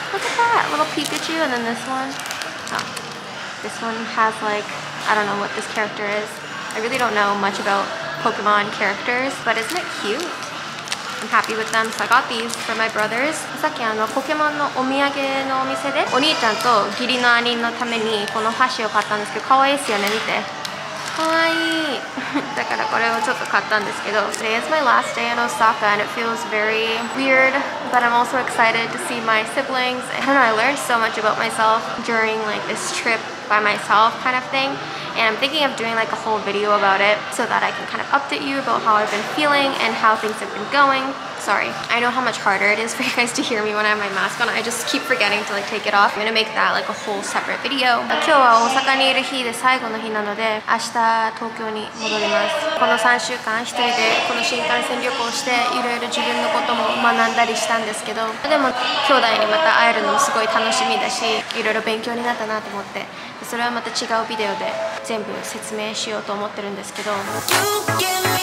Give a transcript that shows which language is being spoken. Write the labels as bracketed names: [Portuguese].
[English] Look at that little Pikachu, and then this one. Oh, this one has like, I don't know what this character is. I really don't know much about Pokemon characters, but isn't it cute? I'm happy with them, so I got these for my brothers. [Japanese] さっきあのポケモンのお土産のお店でお兄ちゃんと義理の兄のためにこの箸を買ったんですけど、かわいいですよね、見て。かわいい。だからこれをちょっと買ったんですけど、 [English] Today is my last day in Osaka and it feels very weird, but I'm also excited to see my siblings. I don't know, I learned so much about myself during like this trip by myself kind of thing, and I'm thinking of doing like a whole video about it so that I can kind of update you about how I've been feeling and how things have been going. Sorry, I know how much harder it is for you guys to hear me when I have my mask on. I just keep forgetting to like take it off. I'm gonna make that like a whole separate video. [Japanese] 今日は大阪にいる日で最後の日なので、明日東京に戻ります。この3週間一人でこの新幹線旅行していろいろ自分のことも学んだりしたんですけど、でも兄弟にまた会えるのもすごい楽しみだし、いろいろ勉強になったなと思って、それはまた違うビデオで全部説明しようと思ってるんですけど。